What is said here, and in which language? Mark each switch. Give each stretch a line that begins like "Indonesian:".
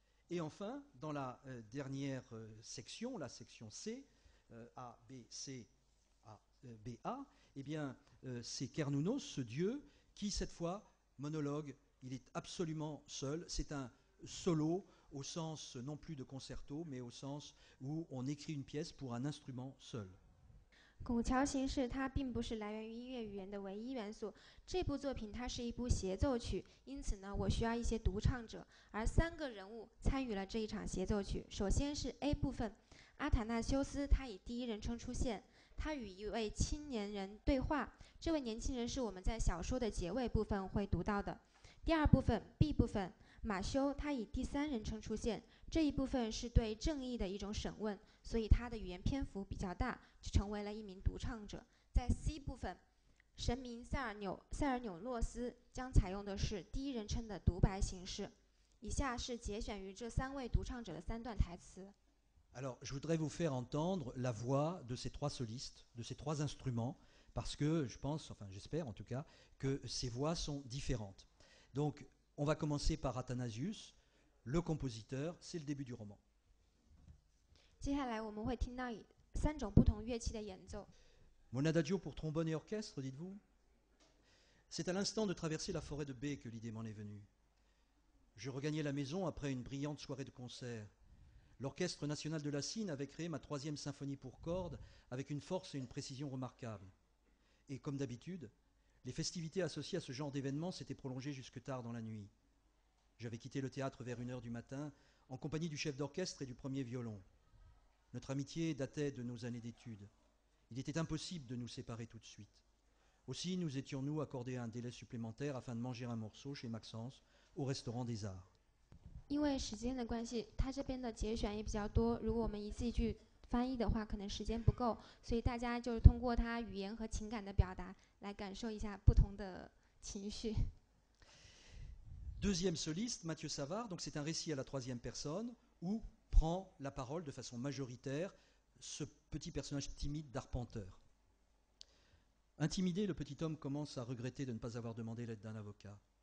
French: Et enfin, dans la dernière section, la section C, A, B, C, A, B, A, eh bien, c'est Cernunnos, ce dieu, qui cette fois monologue, il est absolument seul, c'est un solo au sens non plus de concerto, mais au sens où on écrit une pièce pour un instrument seul.
Chinese: 拱桥形式它并不是来源于音乐语言的唯一元素，这部作品它是一部协奏曲，因此呢我需要一些独唱者，而三个人物参与了这一场协奏曲。首先是 A 部分，阿塔纳修斯他以第一人称出现，他与一位青年人对话，这位年轻人是我们在小说的结尾部分会读到的。第二部分 B 部分，马修他以第三人称出现，这一部分是对正义的一种审问，所以他的语言篇幅比较大，就成为了一名独唱者。在 C 部分，神明塞尔纽洛斯将采用的是第一人称的独白形式。以下是节选于这三位独唱者的三段台词。
French: Alors, je voudrais vous faire entendre la voix de ces trois solistes, de ces trois instruments, parce que je pense, enfin j'espère en tout cas, que ces voix sont différentes. Donc, on va commencer par Athanasius, le compositeur, c'est le début du roman.
Chinese: 接下来我们会听到三种不同乐器的演奏。
French: Mon adagio pour trombone et orchestre, dites-vous? C'est à l'instant de traverser la forêt de B que l'idée m'en est venue. Je regagnais la maison après une brillante soirée de concert. L'Orchestre national de la Cine avait créé ma troisième symphonie pour cordes avec une force et une précision remarquables. Et comme d'habitude, Les festivités associées à ce genre d'événement s'étaient prolongées jusque tard dans la nuit. J'avais quitté le théâtre vers 1h du matin, en compagnie du chef d'orchestre et du premier violon. Notre amitié datait de nos années d'études. Il était impossible de nous séparer tout de suite. Aussi, nous étions-nous accordés un délai supplémentaire afin de manger un morceau chez Maxence au restaurant des Arts.
Chinese: 因为时间的关系，他这边的节选也比较多。如果我们一字一句翻译的话，可能时间不够，所以大家就通过他语言和情感的表达来感受一下不同的情绪。
French: Deuxième soliste, Mathieu Savard. Donc c'est un récit à la troisième personne où prend la parole de façon majoritaire ce petit personnage timide d'arpenteur. Intimidé, le petit homme commence à regretter de ne pas avoir demandé l'aide d'un avocat.